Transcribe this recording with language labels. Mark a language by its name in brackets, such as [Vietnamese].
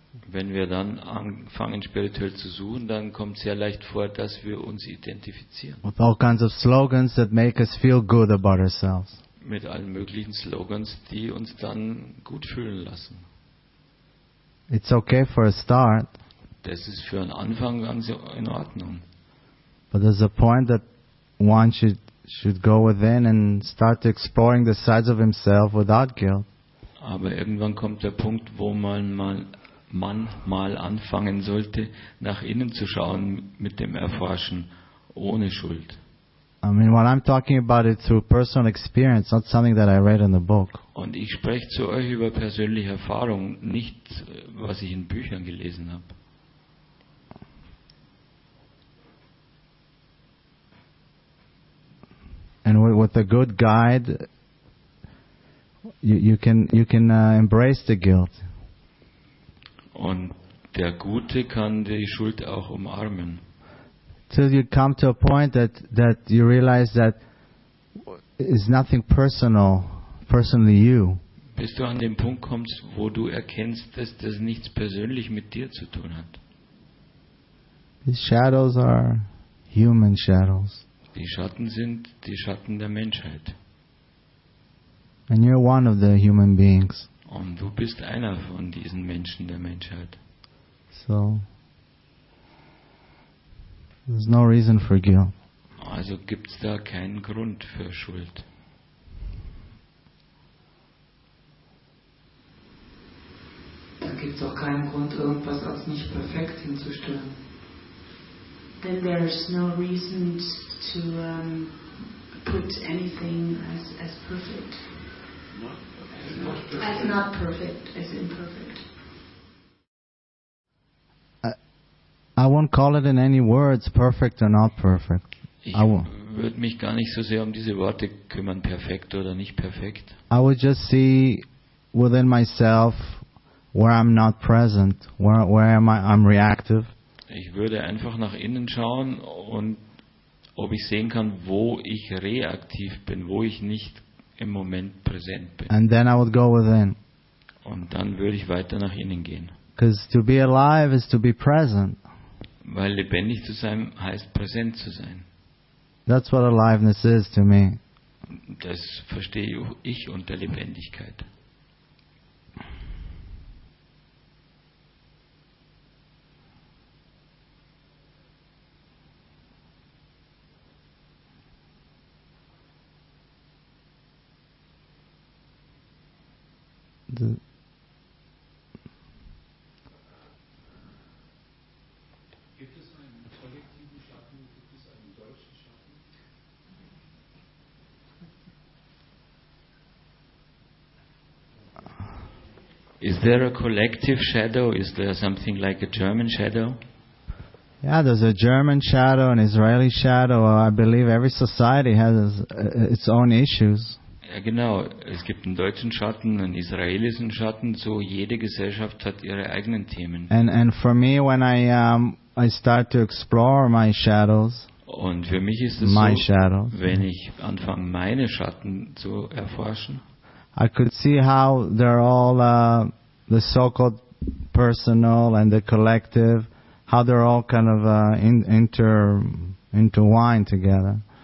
[German] Wenn wir dann anfangen, spirituell zu suchen, dann kommt sehr leicht vor, dass wir uns identifizieren. [English] With all kinds of slogans that make us feel good about ourselves. [German] Mit allen möglichen Slogans, die uns dann gut fühlen lassen. [English] It's okay for a start. [German] Das ist für einen Anfang ganz in Ordnung. [English] But there's a point that one should go within and start exploring the sides of himself without guilt. [German] Aber irgendwann kommt der Punkt, wo man mal anfangen sollte, nach innen zu schauen mit dem Erforschen ohne Schuld. [English] I mean, what I'm talking about is through personal experience, not something that I read in the book. [German] Und ich spreche zu euch über persönliche Erfahrung, nicht was ich in Büchern gelesen habe. [English] And with a good guide. You can embrace the guilt. [German] Und der Gute kann die Schuld auch umarmen. [English] Till you come to a point that you realize that is nothing personally you. [German] Bis du an den Punkt kommst, wo du erkennst, dass das nichts persönlich mit dir zu tun hat. [English] These shadows are human shadows. [German] Die Schatten sind die Schatten der Menschheit. [English] And you're one of the human beings. [German] Und du bist einer von diesen Menschen der Menschheit. [English] So, there's no reason for guilt. [German] Also gibt's da keinen Grund für Schuld. Da gibt's auch keinen Grund, irgendwas als nicht perfekt hinzustellen. [English] Then there's no reason to put anything as perfect. Not perfect. As not perfect, as imperfect. I won't call it in any words, perfect or not perfect. [German] Ich würde mich gar nicht so sehr um diese Worte kümmern, perfekt oder nicht perfekt. [English] I would just see within myself where I'm not present, where am I? I'm reactive. [German] Ich würde einfach nach innen schauen und ob ich sehen kann, wo ich reaktiv bin, wo ich nicht im Moment präsent bin. [English] And then I would go within. [German] Und dann würde ich weiter nach innen gehen. [English] Because to be alive is to be present. [German] Weil lebendig zu sein heißt präsent zu sein. [English] That's what aliveness is to me. [German] Das verstehe ich unter Lebendigkeit. Gibt es einen kollektiven Schatten, gibt es einen deutschen Schatten? [English] Is there a collective shadow? Is there something like a German shadow? Yeah, there's a German shadow, an Israeli shadow. I believe every society has its own issues. [German] Ja genau, es gibt einen deutschen Schatten, einen israelischen Schatten, so jede Gesellschaft hat ihre eigenen Themen. [English] And for me when I start to explore my shadows. [German] Und für mich ist es so, shadows, wenn ich anfange meine Schatten zu erforschen. [English] I could see how they're all the so-called personal and the collective, how they're all kind of intertwined together.